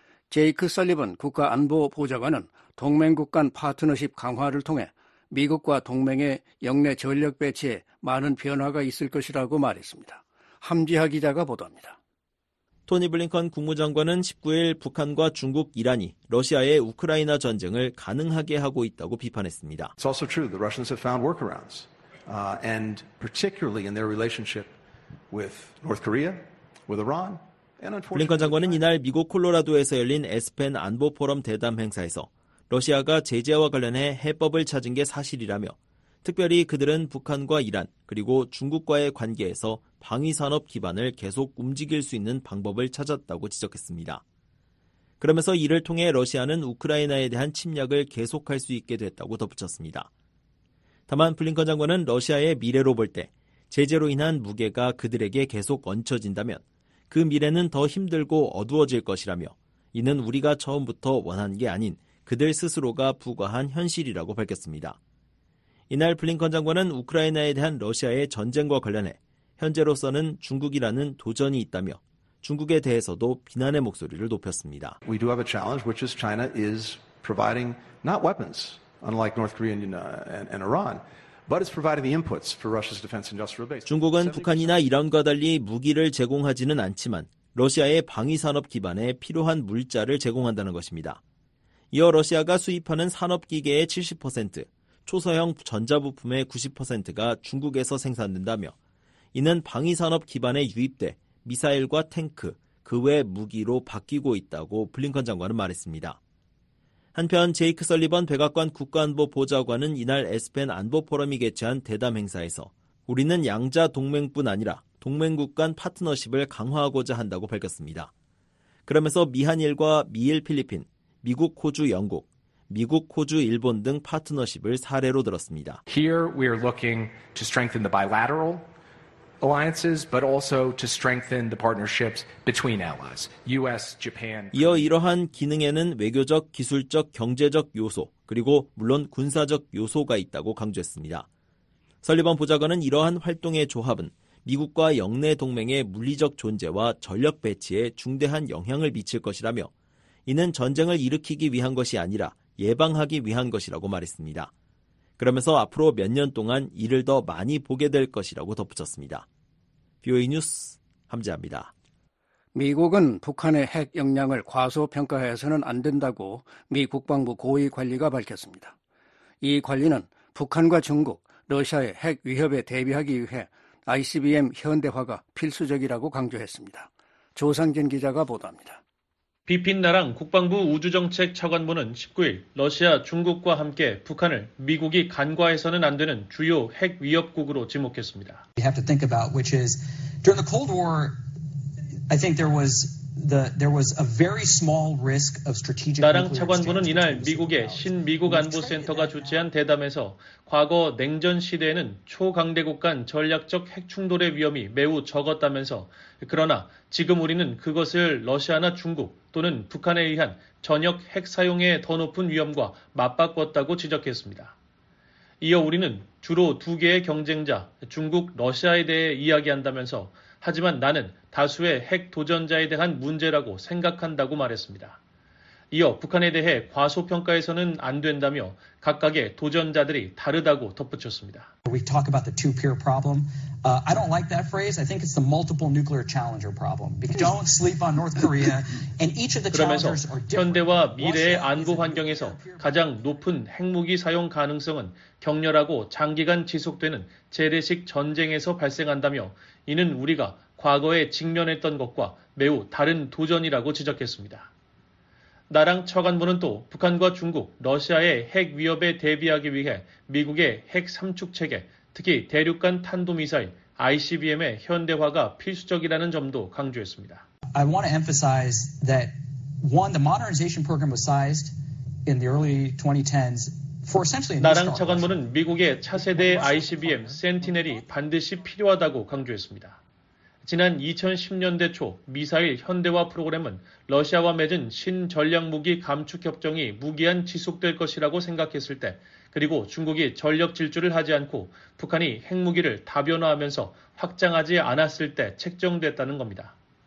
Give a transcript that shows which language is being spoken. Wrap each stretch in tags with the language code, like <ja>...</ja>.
<ko>제이크 설리번 국가안보보좌관은 동맹국 간 파트너십 강화를 통해 미국과 동맹의 역내 전력 배치에 많은 변화가 있을 것이라고 말했습니다. 함지하 기자가 보도합니다. 토니 블링컨 국무장관은 19일 북한과 중국, 이란이 러시아의 우크라이나 전쟁을 가능하게 하고 있다고 비판했습니다.</ko> <en>It's also true the Russians have found workarounds, and particularly in their relationship with North Korea, with Iran.</en> <ko>블링컨 장관은 이날 미국 콜로라도에서 열린 에스펜 안보 포럼 대담 행사에서 러시아가 제재와 관련해 해법을 찾은 게 사실이라며 특별히 그들은 북한과 이란 그리고 중국과의 관계에서 방위산업 기반을 계속 움직일 수 있는 방법을 찾았다고 지적했습니다. 그러면서 이를 통해 러시아는 우크라이나에 대한 침략을 계속할 수 있게 됐다고 덧붙였습니다. 다만 블링컨 장관은 러시아의 미래로 볼 때 제재로 인한 무게가 그들에게 계속 얹혀진다면 그 미래는 더 힘들고 어두워질 것이라며 이는 우리가 처음부터 원한 게 아닌 그들 스스로가 부과한 현실이라고 밝혔습니다. 이날 블링컨 장관은 우크라이나에 대한 러시아의 전쟁과 관련해 현재로서는 중국이라는 도전이 있다며 중국에 대해서도 비난의 목소리를 높였습니다.</ko> <en>We do have a challenge, which is China is providing not weapons, unlike North Korea and Iran. But it's providing the inputs for Russia's defense industrial base.</en> <ko>중국은 북한이나 이란과 달리 무기를 제공하지는 않지만 러시아의 방위산업 기반에 필요한 물자를 제공한다는 것입니다. 이어 러시아가 수입하는 산업기계의 70%, 초소형 전자부품의 90%가 중국에서 생산된다며 이는 방위산업 기반에 유입돼 미사일과 탱크, 그 외 무기로 바뀌고 있다고 블링컨 장관은 말했습니다. 한편 제이크 설리번 백악관 국가안보보좌관은 이날 에스펜 안보포럼이 개최한 대담 행사에서 우리는 양자 동맹뿐 아니라 동맹국 간 파트너십을 강화하고자 한다고 밝혔습니다. 그러면서 미한일과 미일 필리핀, 미국 호주 영국, 미국 호주 일본 등 파트너십을 사례로 들었습니다.</ko> <en>Here we are looking to strengthen the bilateral alliances, but also to strengthen the partnerships between allies, U.S., Japan.</en> <ko>이어 이러한 기능에는 외교적, 기술적, 경제적 요소 그리고 물론 군사적 요소가 있다고 강조했습니다. 설리번 보좌관은 이러한 활동의 조합은 미국과 영내 동맹의 물리적 존재와 전력 배치에 중대한 영향을 미칠 것이라며 이는 전쟁을 일으키기 위한 것이 아니라 예방하기 위한 것이라고 말했습니다. 그러면서 앞으로 몇 년 동안 이를 더 많이 보게 될 것이라고 덧붙였습니다. VOA 뉴스 함재합니다. 미국은 북한의 핵 역량을 과소평가해서는 안 된다고 미 국방부 고위 관리가 밝혔습니다. 이 관리는 북한과 중국, 러시아의 핵 위협에 대비하기 위해 ICBM 현대화가 필수적이라고 강조했습니다. 조상진 기자가 보도합니다. 비핀 나랑 국방부 우주정책차관보는 19일 러시아, 중국과 함께 북한을 미국이 간과해서는 안 되는 주요 핵 위협국으로 지목했습니다.</ko> <en>We have to think about which is during the Cold War I think there was a very small risk of strategic</en> <ko>나랑 차관보는 이날 미국의 신미국 안보센터가 주최한 대담에서 과거 냉전 시대에는 초강대국 간 전략적 핵 충돌의 위험이 매우 적었다면서 그러나 지금 우리는 그것을 러시아나 중국 또는 북한에 의한 전역 핵 사용의 더 높은 위험과 맞바꿨다고 지적했습니다. 이어 우리는 주로 두 개의 경쟁자 중국, 러시아에 대해 이야기한다면서 하지만 나는 다수의 핵 도전자에 대한 문제라고 생각한다고 말했습니다. 이어 북한에 대해 과소평가해서는 안 된다며 각각의 도전자들이 다르다고 덧붙였습니다.</ko> <en>We talk about the two-peer problem. I don't like that phrase. I think it's the multiple nuclear challenger problem. Don't sleep on North Korea. And each of the challengers are different.</en> <ko>현대와 미래의 안보 환경에서 가장 높은 핵무기 사용 가능성은 격렬하고 장기간 지속되는 재래식 전쟁에서 발생한다며 이는 우리가 과거에 직면했던 것과 매우 다른 도전이라고 지적했습니다. 나랑 차관보는 또 북한과 중국, 러시아의 핵 위협에 대비하기 위해 미국의 핵 삼축체계, 특히 대륙간 탄도미사일 ICBM의 현대화가 필수적이라는 점도 강조했습니다.</ko> <en>I want to emphasize that one, the modernization program was sized in the early 2010s for essentially.</en> <ko>나랑 차관보는 미국의 차세대 ICBM 센티넬이 반드시 필요하다고 강조했습니다. 지난 2010년대 초 미사일 현대화 프로그램은 러시아와 맺은 신전략무기 감축협정이 무기한 지속될 것이라고 생각했을 때 그리고 중국이 전력 질주를 하지 않고 북한이 핵무기를 다변화하면서 확장하지 않았을 때 책정됐다는 겁니다.</ko>